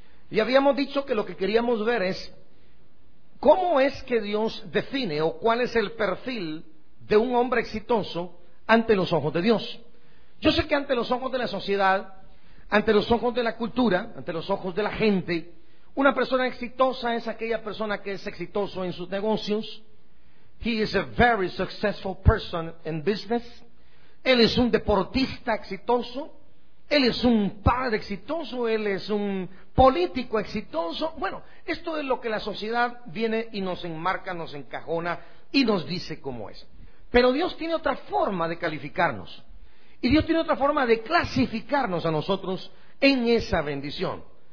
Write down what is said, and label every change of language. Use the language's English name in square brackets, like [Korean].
[Spanish] Y habíamos dicho que lo que queríamos ver es ¿cómo es que Dios define o cuál es el perfil de un hombre exitoso ante los ojos de Dios? Yo sé que ante los ojos de la sociedad, ante los ojos de la cultura, ante los ojos de la gente, una persona exitosa es aquella persona que es exitoso en sus negocios. [English] He is a very successful person in business. [Spanish] Él es un deportista exitoso. Él es un padre exitoso, él es un político exitoso. Bueno, esto es lo que la sociedad viene y nos enmarca, nos encajona y nos dice cómo es. Pero Dios tiene otra forma de calificarnos. Y Dios tiene otra forma de clasificarnos a nosotros en esa bendición.